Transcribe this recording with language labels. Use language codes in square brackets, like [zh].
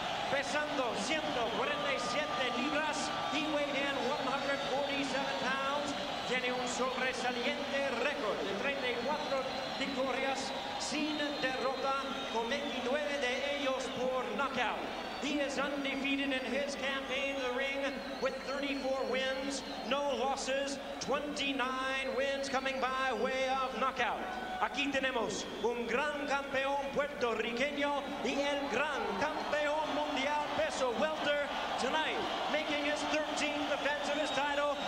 [es] Pesando 147 libras, [en] he weighed in 147 pounds, [es] tiene un sobresaliente récord de 34 victorias sin derrota, con 29 de ellos por knockout. [en] He is undefeated in his campaign in the ring with 34 wins, no losses, 29 wins coming by way of knockout. [es] Aquí tenemos un gran campeón puertorriqueño y el gran campeón mundial peso welter [en] tonight, making his 13th defense of his title.